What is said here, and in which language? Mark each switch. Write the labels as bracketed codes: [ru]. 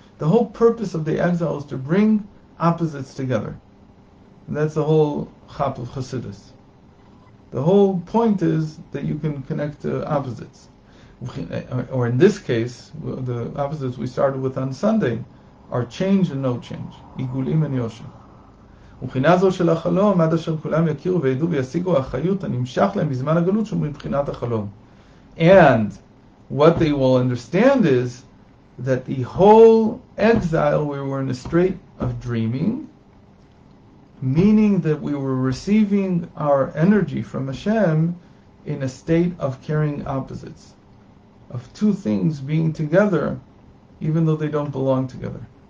[en] The whole purpose of the exile is to bring opposites together. And that's the whole Chap of Chassidus. The whole point is that you can connect to opposites. Or in this case, the opposites we started with on Sunday are change and no change. Igulim and Yosha. [he] ובחינה זו של החלום, עד אשר כולם יכירו וידעו וישיגו החיות הנמשך להם בזמן הגלות שהוא מבחינת החלום. [en] And what they will understand is that the whole exile, we were in a state of dreaming, meaning that we were receiving our energy from Hashem in a state of carrying opposites, of two things being together, even though they don't belong together.